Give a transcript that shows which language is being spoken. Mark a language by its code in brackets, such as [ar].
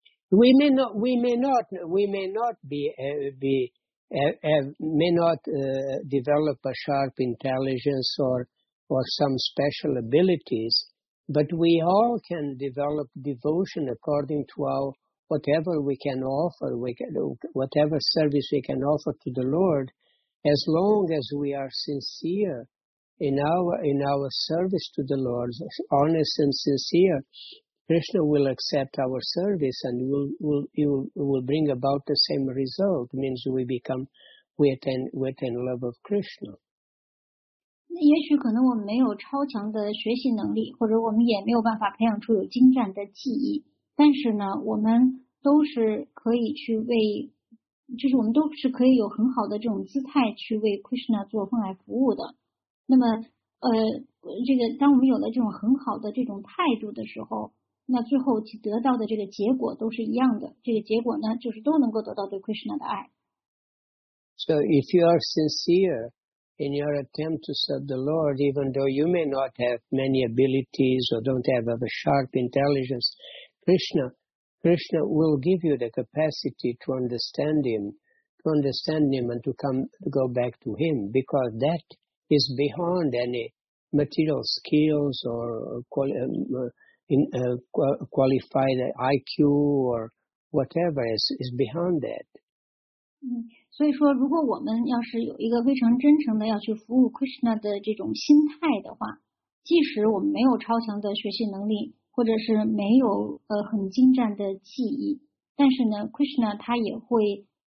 [en] We may not develop a sharp intelligence or some special abilities, but we all can develop devotion according to our whatever we can offer, whatever service we can offer to the Lord, as long as we are sincere in our service to the Lord, honest and sincere. Krishna will accept our service and will bring about the same result. Means we attain love of Krishna. [zh] 那也许可能我们没有超强的学习能力，或者我们也没有办法培养出有精湛的技艺。但是呢，我们都是可以去为，就是我们都是可以有很好的这种姿态去为 Krishna 做奉爱服务的。那么，这个当我们有了这种很好的这种态度的时候，那最后得到的这个结果都是一样的，这个结果呢就是都能够得到对 Krishna 的爱。 [en] So if you are sincere in your attempt to serve the Lord, even though you may not have many abilities or don't have a sharp intelligence, Krishna will give you the capacity to understand him, and to come to go back to him, because that is beyond any material skills or qualified IQ or whatever is behind that. [zh] 所以说如果我们要是有一个非常真诚的要去服务 Krishna 的这种心态的话，即使我们没有超强的学习能力或者是没有很精湛的技艺，但是呢 Krishna 他也会